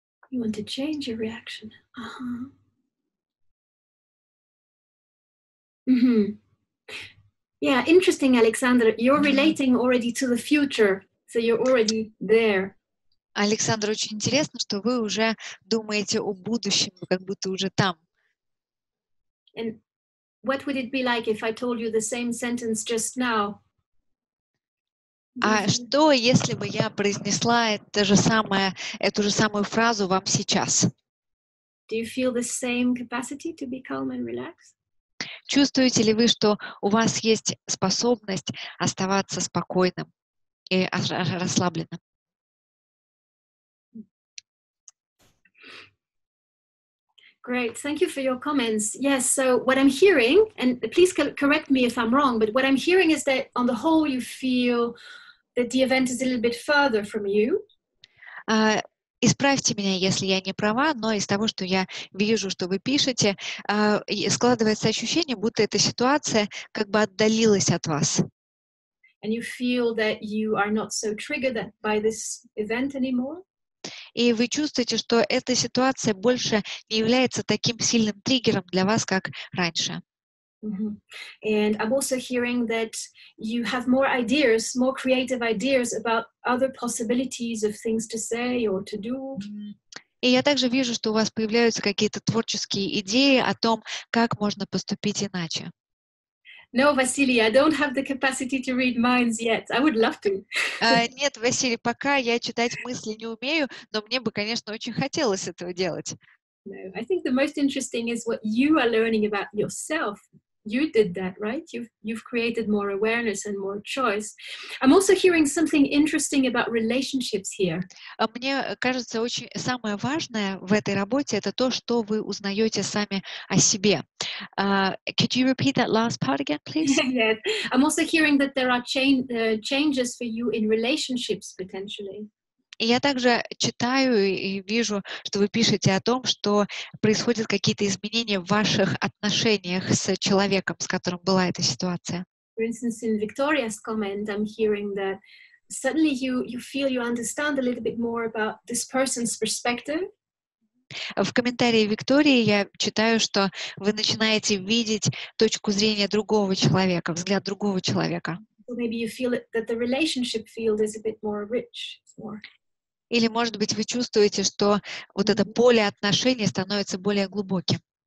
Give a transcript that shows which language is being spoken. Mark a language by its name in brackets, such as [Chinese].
[English] You want to change your reaction. Aha. Mm-hmm. Yeah, interesting, Alexander. You're relating already to the future, so you're already there. [Russian] Александр, очень интересно, что вы уже думаете о будущем, как будто уже там. [English] And what would it be like if I told you the same sentence just now? [Russian] А что, если бы я произнесла это же самое, эту же самую фразу вам сейчас? [English] Do you feel the same capacity to be calm and relaxed? [Russian] Чувствуете ли вы, что у вас есть способность оставаться спокойным и расслабленным? [English] Great, thank you for your comments. Yes, so what I'm hearing, and please correct me if I'm wrong, but what I'm hearing is that on the whole you feel that the event is a little bit further from you. [Russian] Исправьте меня, если я не права, но из того, что я вижу, что вы пишете, складывается ощущение, будто эта ситуация как бы отдалилась от вас. [English] And you feel that you are not so triggered by this event anymore? [Russian] И вы чувствуете, что эта ситуация больше не является таким сильным триггером для вас, как раньше. [English] And I'm also hearing that you have more ideas, more creative ideas about other possibilities of things to say or to do. [Russian] И я также вижу, что у вас появляются какие-то творческие идеи о том, как можно поступить иначе. [English] No, Vasily, I don't have the capacity to read minds yet. I would love to. [Russian] Нет, Василий, пока я читать мысли не умею, но мне бы, конечно, очень хотелось этого делать. [English] No, I think the most interesting is what you are learning about yourself. You did that, right? You've created more awareness and more choice. I'm also hearing something interesting about relationships here. [Russian] Мне кажется, очень самое важное в этой работе это то, что вы узнаете сами о себе. [English] Could you repeat that last part again, please? Yes. I'm also hearing that there are changes for you in relationships potentially. [Russian] И я также читаю и вижу, что вы пишете о том, что происходят какие-то изменения в ваших отношениях с человеком, с которым была эта ситуация. [English] For instance, in Victoria's comment, I'm hearing that suddenly you feel you understand a little bit more about this person's perspective. [Russian] В комментарии Виктории я читаю, что вы начинаете видеть точку зрения другого человека, взгляд другого человека. [English] So maybe you feel that the relationship field is a bit more rich, more. [Russian] Или, может быть, вы чувствуете, что вот это поле отношений становится более глубоким.